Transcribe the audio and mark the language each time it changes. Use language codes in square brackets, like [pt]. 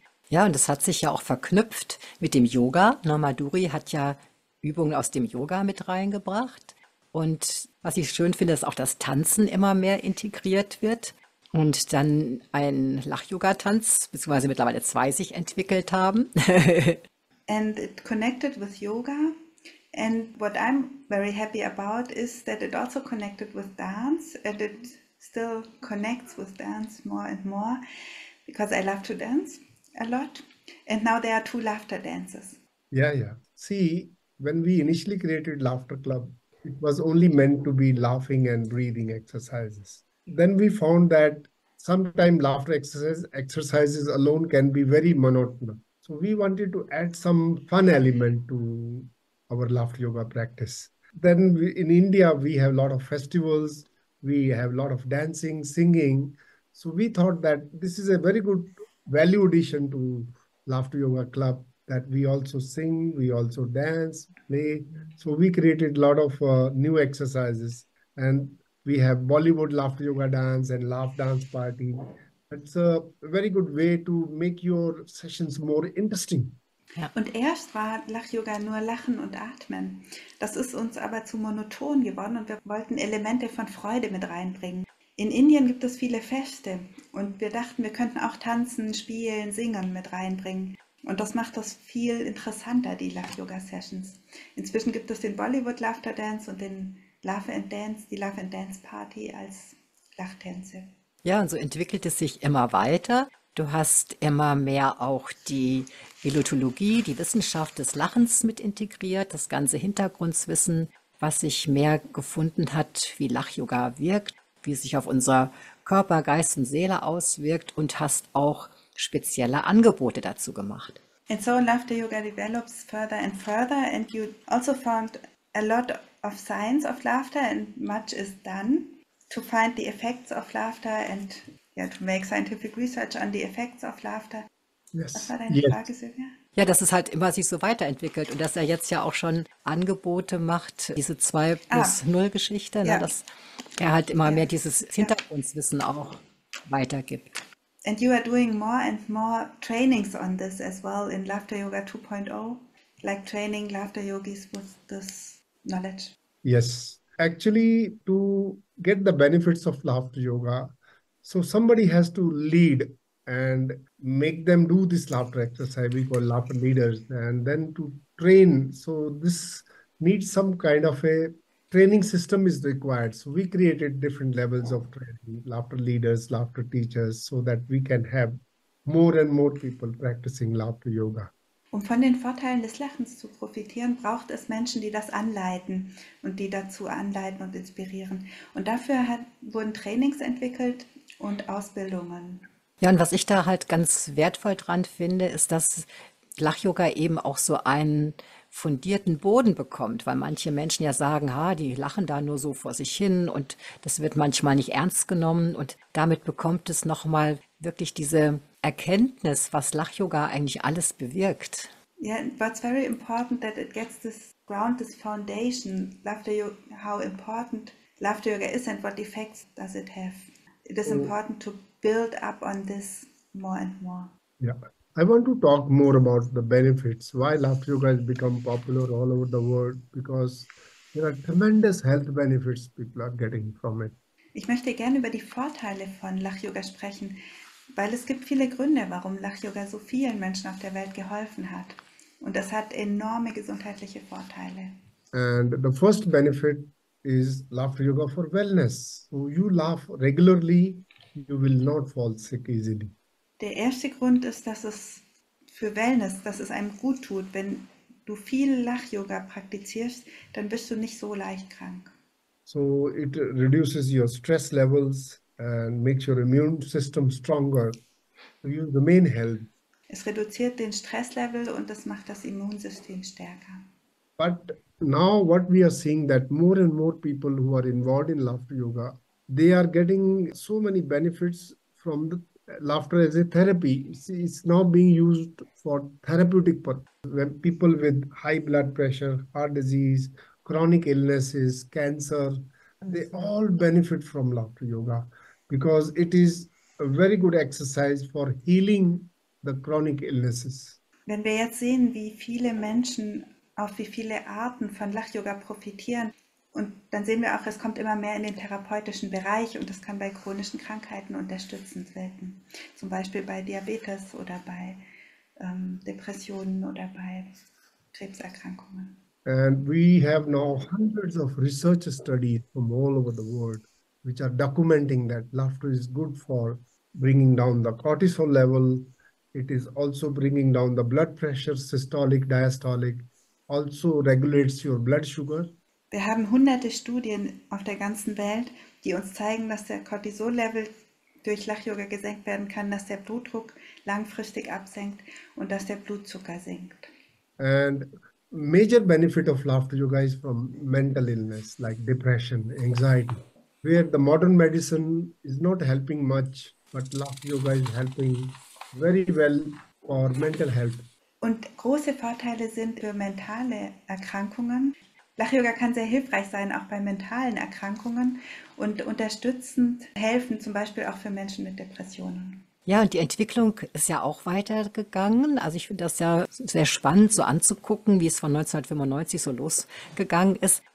[de] Ja, und das hat sich ja auch verknüpft mit dem Yoga. Norma Duri hat ja Übungen aus dem Yoga mit reingebracht. Und was ich schön finde, ist auch, dass Tanzen immer mehr integriert wird. Und dann einen Lach-Yoga-Tanz, beziehungsweise mittlerweile zwei sich entwickelt haben. [en] And it connected with yoga. And what I'm very happy about is that it also connected with dance. And it still connects with dance more and more. Because I love to dance a lot. And now there are two laughter dances. Yeah, yeah. See, when we initially created Laughter Club, it was only meant to be laughing and breathing exercises. Then we found that sometimes laughter exercises alone can be very monotonous. So we wanted to add some fun element to our laughter yoga practice. Then in India, we have a lot of festivals. We have a lot of dancing, singing. So we thought that this is a very good value addition to Laughter Yoga Club, that we also sing, we also dance, play. So we created a lot of new exercises. And we have Bollywood laughter yoga dance and laugh dance party. It's a very good way to make your sessions more interesting. [de] Ja. Und erst war Lach-Yoga nur Lachen und Atmen. Das ist uns aber zu monoton geworden und wir wollten Elemente von Freude mit reinbringen. In Indien gibt es viele Feste und wir dachten, wir könnten auch tanzen, spielen, singen mit reinbringen. Und das macht das viel interessanter, die Lach-Yoga-Sessions. Inzwischen gibt es den Bollywood Laughter Dance und den Love and Dance, die Love and Dance Party als Lachtänze. Ja, und so entwickelt es sich immer weiter. Du hast immer mehr auch die Elotologie, die Wissenschaft des Lachens mit integriert, das ganze Hintergrundwissen, was sich mehr gefunden hat, wie Lach-Yoga wirkt, wie es sich auf unser Körper, Geist und Seele auswirkt und hast auch spezielle Angebote dazu gemacht. [en] And so Laughter Yoga develops further and further and you also found a lot of science of laughter and much is done to find the effects of laughter and yeah, to make scientific research on the effects of laughter. Yes. [de] Was war deine Frage, Silvia? Ja, dass es halt immer sich so weiterentwickelt und dass er jetzt ja auch schon Angebote macht, diese 2 plus 0 Geschichte, ne, dass er halt immer mehr dieses Hintergrundwissen auch weitergibt. [en] And you are doing more and more trainings on this as well in Laughter Yoga 2.0, like training laughter yogis with this knowledge. Yes. Actually, to get the benefits of laughter yoga, so somebody has to lead and make them do this laughter exercise. We call laughter leaders. And then to train. So this needs some kind of a training system is required. So we created different levels of training, laughter leaders, laughter teachers, so that we can have more and more people practicing laughter yoga. [de] Um von den Vorteilen des Lachens zu profitieren, braucht es Menschen, die das anleiten und die dazu anleiten und inspirieren. Und dafür wurden Trainings entwickelt und Ausbildungen. Ja, und was ich da halt ganz wertvoll dran finde, ist, dass Lach-Yoga eben auch so ein fundierten Boden bekommt, weil manche Menschen ja sagen, ha, die lachen da nur so vor sich hin und das wird manchmal nicht ernst genommen und damit bekommt es noch mal wirklich diese Erkenntnis, was Lachyoga eigentlich alles bewirkt. [en] Yeah, but it's very important that it gets this ground, this foundation, laughter yoga, how important laughter yoga is and what effects does it have. It is important to build up on this more and more. Yeah. I want to talk more about the benefits, why Laugh Yoga has become popular all over the world, because there are tremendous health benefits people are getting from it. [de] Ich möchte gerne über die Vorteile von Lachyoga sprechen, weil es gibt viele Gründe, warum Lachyoga so vielen Menschen auf der Welt geholfen hat. Und das hat enorme gesundheitliche Vorteile. [en] And the first benefit is Laugh Yoga for wellness. So you laugh regularly, you will not fall sick easily. [de] Der erste Grund ist, dass es für Wellness, dass es einem gut tut. Wenn du viel Lachyoga praktizierst, dann bist du nicht so leicht krank. [en] So it reduces your stress levels and makes your immune system stronger. So you remain healthy. [de] Es reduziert den Stresslevel und das macht das Immunsystem stärker. [en] But now what we are seeing that more and more people who are involved in laughter yoga, they are getting so many benefits from the laughter as a therapy. It's now being used for therapeutic purposes. When people with high blood pressure, heart disease, chronic illnesses, cancer, they all benefit from laughter yoga because it is a very good exercise for healing the chronic illnesses. [de] Wenn wir jetzt sehen, wie viele Menschen auf wie viele Arten von Lachyoga profitieren, und dann sehen wir auch, es kommt immer mehr in den therapeutischen Bereich und das kann bei chronischen Krankheiten unterstützend wirken. Zum Beispiel bei Diabetes oder bei Depressionen oder bei Krebserkrankungen. [en] And we have now hundreds of research studies from all over the world, which are documenting that laughter is good for bringing down the cortisol level. It is also bringing down the blood pressure, systolic, diastolic, also regulates your blood sugar. [de] Wir haben hunderte Studien auf der ganzen Welt, die uns zeigen, dass der Cortisol-Level durch Lachyoga gesenkt werden kann, dass der Blutdruck langfristig absenkt und dass der Blutzucker sinkt. [en] And major benefit of laughter yoga is from mental illness like depression, anxiety, where the modern medicine is not helping much, but laughter yoga is helping very well for mental health. [de] Und große Vorteile sind für mentale Erkrankungen. Lachyoga kann sehr hilfreich sein, auch bei mentalen Erkrankungen und unterstützend helfen, zum Beispiel auch für Menschen mit Depressionen. Ja, und die Entwicklung ist ja auch weitergegangen. Also ich finde das ja sehr spannend, so anzugucken, wie es von 1995 so losgegangen ist.